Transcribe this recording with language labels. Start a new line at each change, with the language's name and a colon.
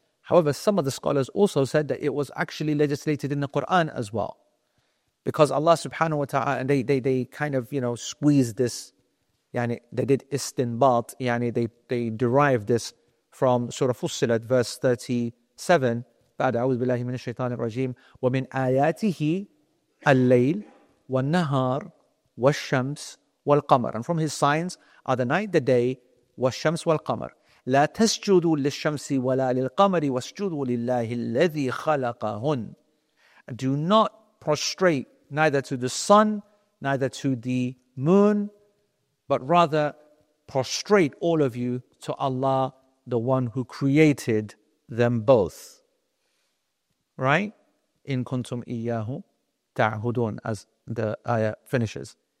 English: However, some of the scholars also said that it was actually legislated in the Quran as well. Because Allah subhanahu wa ta'ala, and they kind of, you know, squeezed this, yani they did istinbat, yani they derived this from Surah Fussilat, verse 37.
Arabic: بعد أعوذ بالله من الشيطان الرجيم ومن آياته الليل والنهار والشمس والقمر.
English: And from his signs are the night, the day,
Arabic: والشمس والقمر. لا تسجدوا للشمس ولا للقمر واسجدوا لله الذي خلقهن.
English: Do not prostrate neither to the sun, neither to the moon, but rather prostrate all of you to Allah, the one who created them both. Right?
Arabic: In kuntum iyyahu ta'hudun,
English: as the ayah finishes.